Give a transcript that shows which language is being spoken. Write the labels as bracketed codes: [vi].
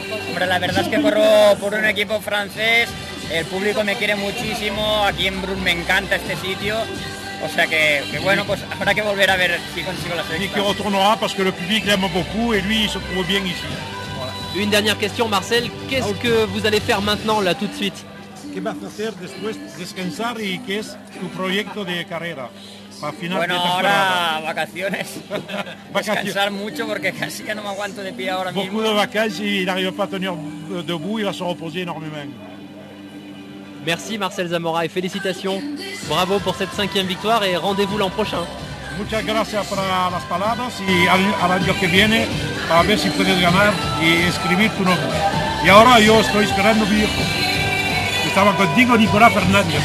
[es] Hombre, la verdad es que corro por un equipo francés, el público me quiere muchísimo, aquí en Brun me encanta este sitio, o sea que bueno, pues habrá que volver a ver si consigo la 6. Y que retournera porque el público le ama mucho y [fr] lui se trouve bien ici. Une dernière question, Marcel, qu'est-ce que vous allez faire maintenant, là, tout de suite? [es] ¿Qué vas a hacer después de descansar y qué es tu proyecto de carrera? Final, bueno, ahora vacaciones. Descansar mucho porque casi ya no me aguanto de pie ahora mismo. [fr] Beaucoup de vacances y n'arrive pas a tenir debout, il va se reposer énormément. Merci Marcel Zamora et félicitations. Bravo pour cette 5e victoire et rendez-vous l'an prochain. [es] Muchas gracias por las palabras y al año que viene para ver si puedes ganar y escribir tu nombre. Y ahora yo estoy esperando mi hijo. Estaba contigo Nicolás Fernández,